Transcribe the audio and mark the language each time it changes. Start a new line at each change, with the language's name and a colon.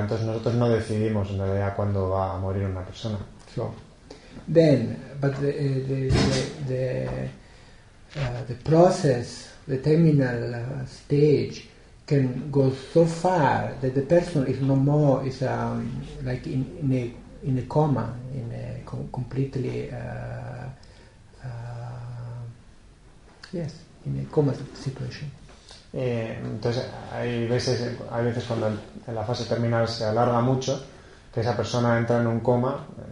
Spanish: Entonces, nosotros no decidimos en realidad cuándo va a morir una persona.
English: So, then, but the process, the terminal stage, can go so far that the person is no more is like in a coma, in a coma situation.
Spanish: Entonces hay veces cuando en la fase terminal se alarga mucho, que esa persona entra en un coma.